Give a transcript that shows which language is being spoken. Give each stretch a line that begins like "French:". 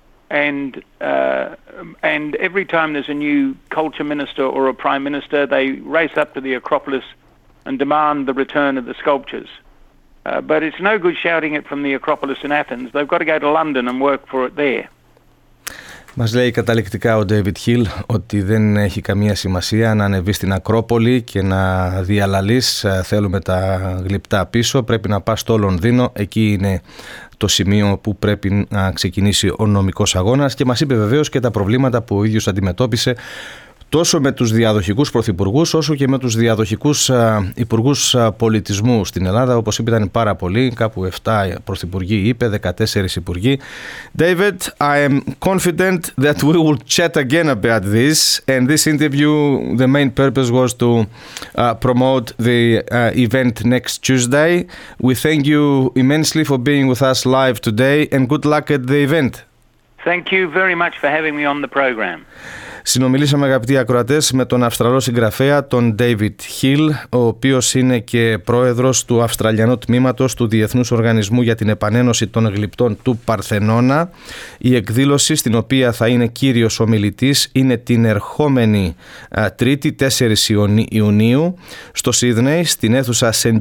English: And every time there's a new culture minister or a prime minister, they race up to the Acropolis and demand the return of the sculptures. But it's no good shouting it from the Acropolis in Athens. They've got to go to London and work for it there.
Greek: Μας λέει καταληκτικά ο David Hill ότι δεν έχει καμία σημασία να ανεβείς στην Ακρόπολη και να διαλαλείς θέλουμε τα γλυπτά πίσω, πρέπει να πας στο Λονδίνο, εκεί είναι το σημείο που πρέπει να ξεκινήσει ο νομικός αγώνας, και μας είπε βεβαίως και τα προβλήματα που ο ίδιος αντιμετώπισε τόσο με τους διαδοχικούς πρωθυπουργούς όσο και με τους διαδοχικούς υπουργούς πολιτισμού στην Ελλάδα. Όπως είπε, ήταν πάρα πολλοί, κάπου 7 πρωθυπουργοί είπε, 14 υπουργοί.
English: David, I am confident that we will chat again about this. And this interview, the main purpose was to promote the event next Tuesday. We thank you immensely for being with us live today and good luck at the event. Thank you very much for having me on the program.
Greek: Συνομιλήσαμε, αγαπητοί ακροατές, με τον Αυστραλό συγγραφέα, τον David Hill, ο οποίος είναι και πρόεδρος του Αυστραλιανού Τμήματος του Διεθνούς Οργανισμού για την Επανένωση των Γλυπτών του Παρθενώνα. Η εκδήλωση, στην οποία θα είναι κύριος ομιλητής, είναι την ερχόμενη Τρίτη, 4 Ιουνίου, στο Σίδνεϊ, στην αίθουσα St.